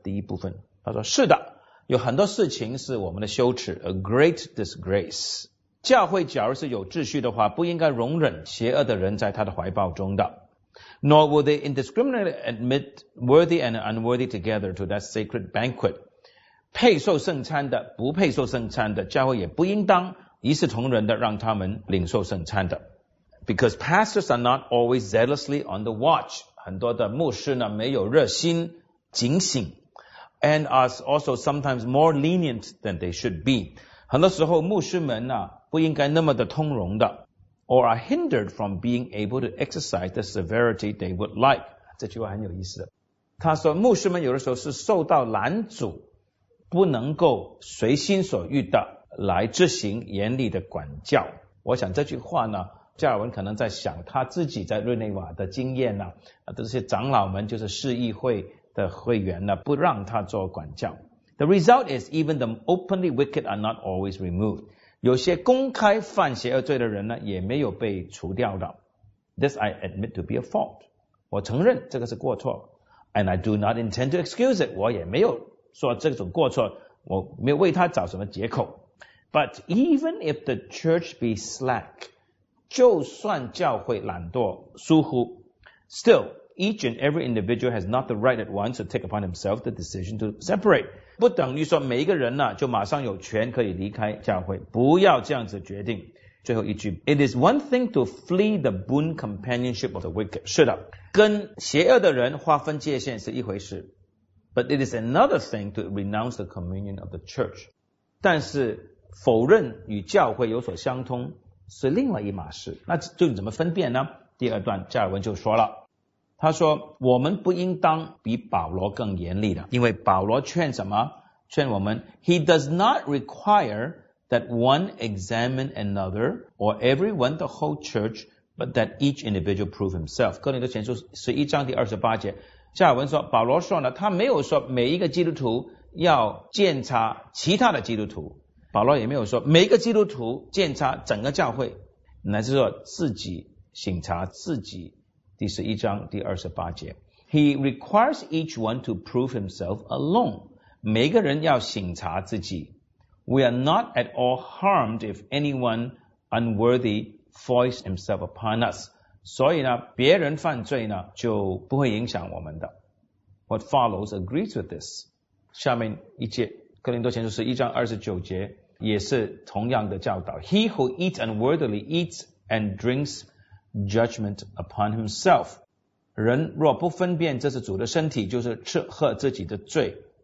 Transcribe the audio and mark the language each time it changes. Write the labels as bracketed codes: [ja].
[zh] 第一部分，他说是的，有很多事情是我们的羞耻， [en] A great disgrace， [zh] 教会假如是有秩序的话，不应该容忍邪恶的人在他的怀抱中的。 [en] Nor will they indiscriminately admit worthy and unworthy together to that sacred banquet， [zh] 配受圣餐的，不配受圣餐的，教会也不应当一视同仁的让他们领受圣餐的。 [en] Because pastors are not always zealously on the watch， [zh] 很多的牧师呢没有热心警醒， [en] And are also sometimes more lenient than they should be， [zh] 很多时候牧师们呢不应该那么的通融的。 [en] Or are hindered from being able to exercise the severity they would like。 [zh] 这句话很有意思的，他说牧师们有的时候是受到拦阻，不能够随心所欲的来执行严厉的管教。我想这句话呢，加尔文可能在想他自己在日内瓦的经验呢，这些长老们就是市议会的会员呢，不让他做管教。 [en] The result is even the openly wicked are not always removed， [zh] 有些公开犯邪恶罪的人呢，也没有被除掉的。 [en] This I admit to be a fault， [zh] 我承认这个是过错。 [en] And I do not intend to excuse it， [zh] 我也没有说这种过错，我没有为他找什么借口。 [en] But even if the church be slack， [zh] 就算教会懒惰疏忽， [en] Still each and every individual has not the right at once to take upon himself the decision to separate， [zh] 不等于说每一个人呢、就马上有权可以离开教会，不要这样子决定。最后一句， [en] It is one thing to flee the boon companionship of the wicked， [zh] 是的，跟邪恶的人划分界限是一回事， [en] But it is another thing to renounce the communion of the church， [zh] 但是否认与教会有所相通是另外一码事。那就怎么分辨呢？第二段加尔文就说了，他说我们不应当比保罗更严厉的，因为保罗劝什么？劝我们 [en] He does not require that one examine another or everyone the whole church But that each individual prove himself. [zh] 哥林多前书十一章第二十八节，加尔文说，保罗说呢，他没有说每一个基督徒要鉴察其他的基督徒，保罗也没有说每一个基督徒鉴察整个教会，乃是说自己省察自己。第十一章第二十八节 [en] ，He requires each one to prove himself alone. [zh] 每个人要省察自己。 [en] We are not at all harmed if anyone unworthy foist himself upon us. [zh] 所以呢，别人犯罪呢，就不会影响我们的。 [en] What follows agrees with this. [zh] 下面一节，哥林多前书十一章二十九节，也是同样的教导。 [en] He who eats unworthily eats and drinks judgment upon himself. [zh] 人若不分辨这是主的身体，就是吃喝自己的罪。